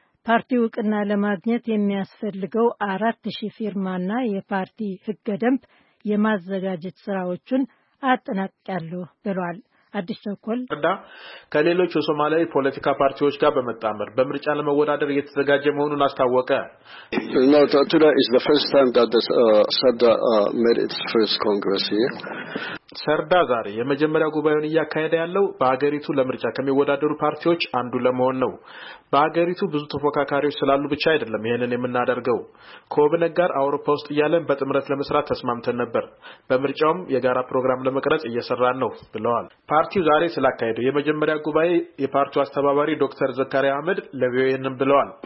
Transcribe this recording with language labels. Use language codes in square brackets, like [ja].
[am] ፓርቲው ቅና ለማግኘት የሚያስፈልገው 4000 ፊርማና የፓርቲ ህገ ደንብ የማዘጋጀት ስራዎችን አጠናቅቀያለሁ ብሏል። አዲስ ተኮል ዳ ከሌሎች የሶማሊያ ፖለቲካ ፓርቲዎች ጋር በመጣመር በመርጫ ለመወዳደር እየተዘጋጀ መሆኑን አስታወቀ። [en] No, today is the first time that this Sardar made its first congress here. [am] ሰርዳ ዛሬ የመጀመሪያ ጉባኤውን እያካሄደ ያለው በአገሪቱ ለምርጫ ከሚወዳደሩ ፓርቲዎች አንዱ ለመሆን ነው። በአገሪቱ ብዙ ተፎካካሪዎች ስላሉ ብቻ አይደለም ይሄንን የምናደርገው። ኮብነጋር አውሮፓ ውስጥ ያለን በጥምረት ለመስራት ተስማምተን ነበር። በመርጫውም የጋራ ፕሮግራም ለመቅረጽ እየሰራን ነው ብለዋል። ፓርቲው ዛሬ ስላካሄደው የመጀመሪያ ጉባኤ የፓርቲው አስተባባሪ ዶክተር ዘካሪያ አህመድ ለቪኦኤ ብለዋል።